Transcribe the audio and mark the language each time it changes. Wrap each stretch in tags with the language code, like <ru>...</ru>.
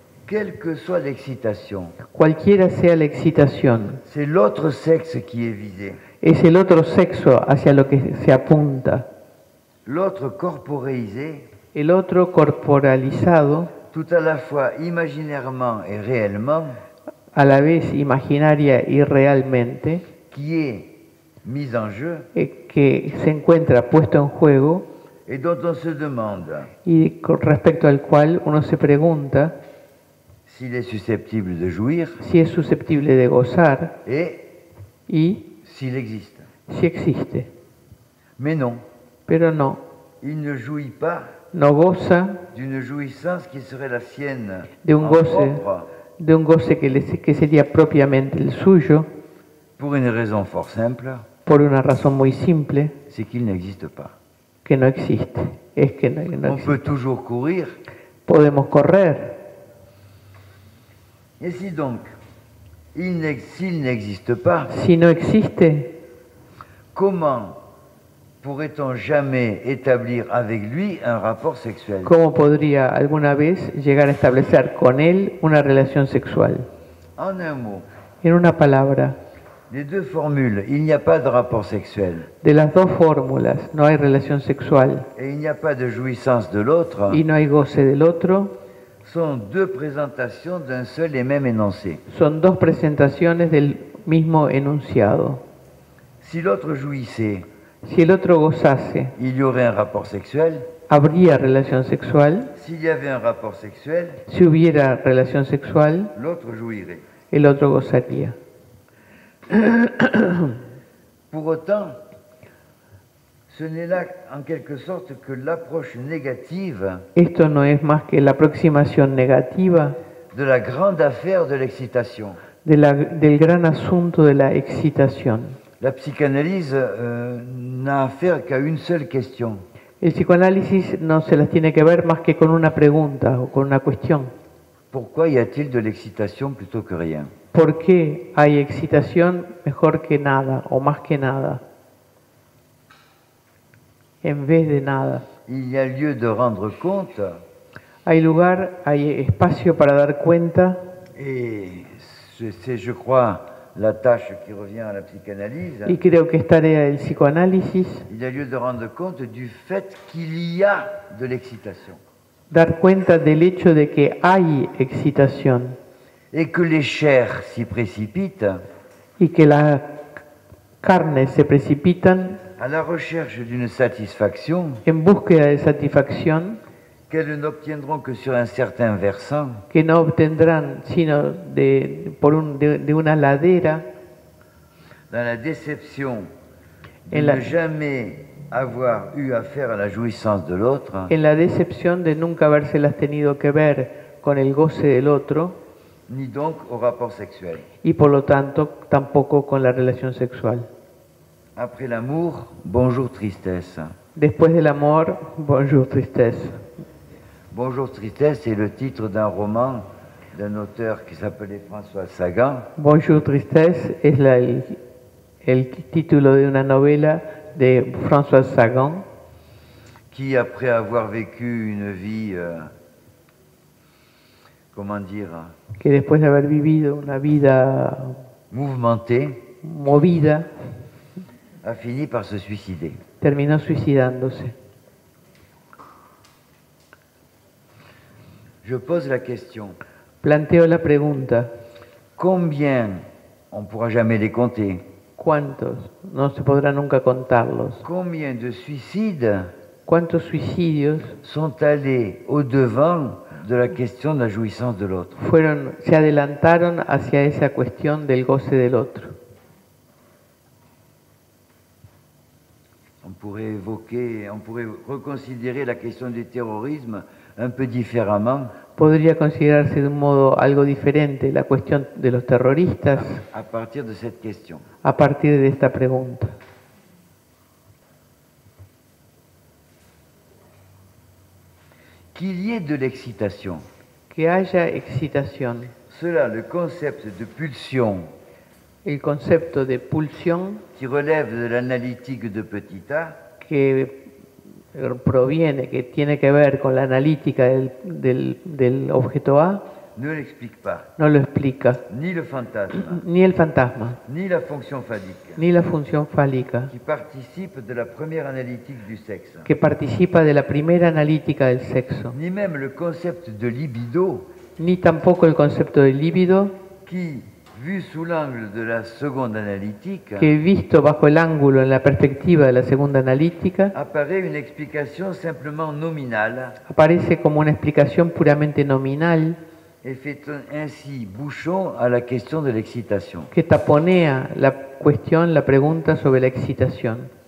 <fr>Quelle que soit l'excitation.</fr> <es>Cualquiera sea la excitación.</es> <fr>C'est l'autre sexe qui est visé.</fr> <es>Es el otro sexo hacia lo que se apunta.</es> <fr>L'autre corporeisé.</fr> <es>El otro corporalizado.</es> <fr>Tout à la fois imaginairement et réellement.</fr> <es>A la vez imaginaria y realmente.</es> <fr>Qui est mis en jeu.</fr> <es>Que se encuentra puesto en juego.</es> <fr>Et dont on se demande.</fr> <es>Y con respecto al cual uno se pregunta.</es> <fr>S'il est susceptible de jouir.</fr> <es>Si es susceptible de gozar.</es> <fr>Et.</fr> <es>Y.</es> <fr>S'il existe.</fr> <es>Si existe.</es> <fr>Mais non.</fr> <es>Pero no.</es> <fr>Il ne jouit pas.</fr> <es>No goza</es> <fr>d'une jouissance qui serait la sienne,</fr> <es>de un goce, de un goce que sería propiamente el suyo,</es> <fr>pour une raison fort simple,</fr> <es>por una razón muy simple,</es> <fr>c'est qu'il n'existe pas,</fr> <es>que no existe, es que no, no</es> <fr>on existe. Peut toujours courir,</fr> <es>podemos correr,</es> <fr>et si donc, il s'il n'existe pas,</fr> <es>si no existe,</es> <fr>comment pourrait-on jamais établir avec lui un rapport sexuel?</fr> <es>¿Cómo podría alguna vez llegar a establecer con él una relación sexual?</es> <fr>En un mot,</fr> <es>en una palabra.</es> <fr>Les deux formules, il n'y a pas de rapport sexuel.</fr> <es>De las dos fórmulas, no hay relación sexual.</es> <fr>Et il n'y a pas de jouissance de l'autre.</fr> <es>Y no hay goce del otro.</es> <fr>Sont deux présentations d'un seul et même énoncé.</fr> <es>Son dos presentaciones del mismo enunciado.</es> <fr>Si l'autre jouissait.</fr> <es>Si el otro gozase,</es> <fr>il y aurait un rapport sexuel.</fr> <es>Habría relación sexual.</es> <fr>S'il y avait un rapport sexuel,</fr> <es>si hubiera relación sexual,</es> <fr>l'autre jouirait.</fr> <es>El otro gozaría.</es> <fr>Pour autant, ce n'est là en quelque sorte que l'approche négative.</fr> <es>Esto no es más que la aproximación negativa</es> <fr>de la grande affaire de l'excitation.</fr> <es>De la, del gran asunto de la excitación.</es> <fr>La psychanalyse n'a affaire qu'à une seule question.</fr> <es>El psicoanálisis no se las tiene que ver más que con una pregunta o con una cuestión.</es> <fr>Pourquoi y a-t-il de l'excitation plutôt que rien?</fr> <es>¿Por qué hay excitación mejor que nada o más que nada? En vez de nada.</es> <fr>Il y a lieu de rendre compte.</fr> <es>Hay lugar, hay espacio para dar cuenta.</es> <fr>Et c'est, je crois, la tâche qui revient à la psychanalyse.</fr> <es>Y creo que esta tarea del psicoanálisis.</es> <fr>Il y a lieu de rendre compte du fait qu'il y a de l'excitation.</fr> <es>Dar cuenta del hecho de que hay excitación.</es> <fr>Et que les chairs s'y précipitent.</fr> <es>Y que la carne se precipitan.</es> <fr>À la recherche d'une satisfaction.</fr> <es>En búsqueda de satisfacción.</es> <fr>Qu'elles n'obtiendront que sur un certain versant.</fr> <es>Que no obtendrán sino de por un de una ladera.</es> <fr>Dans la déception de ne jamais avoir eu affaire à la jouissance de l'autre.</fr> <es>En la decepción de nunca habérselas tenido que ver con el goce del otro.</es> <fr>Ni donc au rapport sexuel.</fr> <es>Y por lo tanto tampoco con la relación sexual.</es> <fr>Après l'amour, bonjour tristesse.</fr> <es>Después del amor, bonjour tristesse.</es> <fr>Bonjour tristesse est le titre d'un roman d'un auteur qui s'appelait François Sagan.</fr> <es>Bonjour tristesse es el título de una novela de François Sagan.</es> <fr>Qui, après avoir vécu une vie, comment dire,</fr> <es>que después de haber vivido una vida</es> <fr>mouvementée,</fr> <es>movida,</es> <fr>a fini par se suicider.</fr> <es>Terminó suicidándose.</es> <fr>Je pose la question.</fr> <es>Planteo la pregunta.</es> <fr>Combien on pourra jamais les compter.</fr> <es>¿Cuántos? No se podrá nunca contarlos.</es> <fr>Combien de suicides.</fr> <es>¿Cuántos suicidios</es> <fr>sont allés au devant de la question de la jouissance de l'autre?</fr> <es>Fueron, se adelantaron hacia esa cuestión del goce del otro.</es> <fr>On pourrait évoquer, on pourrait reconsidérer la question du terrorisme. Un peu différemment.</fr> <es>Podría considerarse de un modo algo diferente la cuestión de los terroristas.</es> <fr>À partir de cette question.</fr> <es>A partir de esta pregunta.</es> <fr>Qu'il y ait de l'excitation.</fr> <es>Que haya excitación.</es> <fr>Cela, le concept de pulsion.</fr> <es>El concepto de pulsión.</es> <fr>Qui relève de l'analytique de Petita.</fr> <es>Que proviene, que tiene que ver con la analítica del objeto A,</es> <fr>ne l'explique pas.</fr> <es>No lo explica.</es> <fr>Ni, le fantasma.</fr> <es>Ni el fantasma.</es> <fr>Ni la función fálica.</fr> <es>Ni la función fálica.</es> <fr>Qui participe de la première analytique du sexe.</fr> <es>Que participa de la primera analítica del sexo.</es> <fr>Ni même le concept de libido.</fr> <es>Ni tampoco el concepto de libido.</es> <fr>Qui vu sous l'angle de la seconde analytique.</fr> <es>Que visto bajo el ángulo en la perspectiva de la segunda analítica.</es> <fr>Apparaît une explication simplement nominale.</fr> <es>Aparece como una explicación puramente nominal.</es> <fr>Et fait ainsi bouchon à la question de l'excitation.</fr> <es>Que taponea la cuestión, la pregunta sobre la excitación.</es>